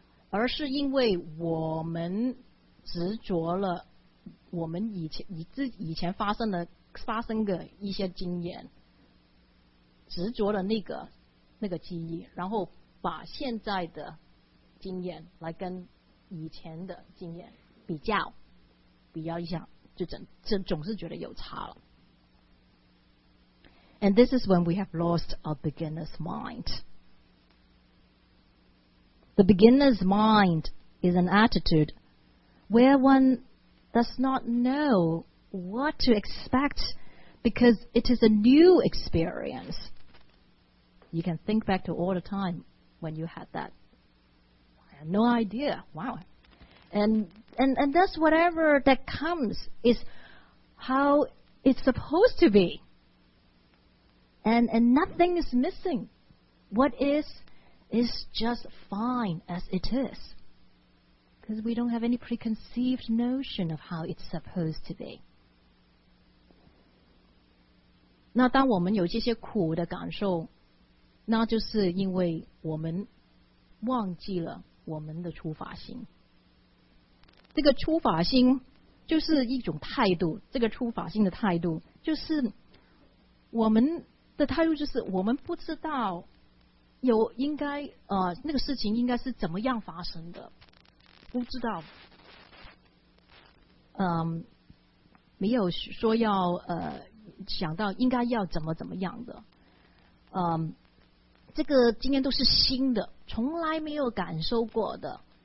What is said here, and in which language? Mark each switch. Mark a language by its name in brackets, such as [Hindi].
[Chinese] 而是因为我们执着了我们以前发生的一些经验，执着了那个记忆，然后把现在的经验来跟以前的经验比较一下，就总是觉得有差了。 [English] And this is when we have lost our beginner's mind. The beginner's mind is an attitude where one does not know what to expect because it is a new experience. You can think back to all the time when you had that. I had no idea. Wow. And that's whatever that comes is how it's supposed to be. And nothing is missing. What is just fine as it is, because we don't have any preconceived notion of how it's supposed to be. [Chinese] 那当我们有这些苦的感受，那就是因为我们忘记了我们的初发心。这个初发心就是一种态度，这个初发心的态度就是我们的态度就是我们不知道有应该那个事情应该是怎么样发生的，不知道，没有说要想到应该要怎么样的，这个经验都是新的，从来没有感受过的，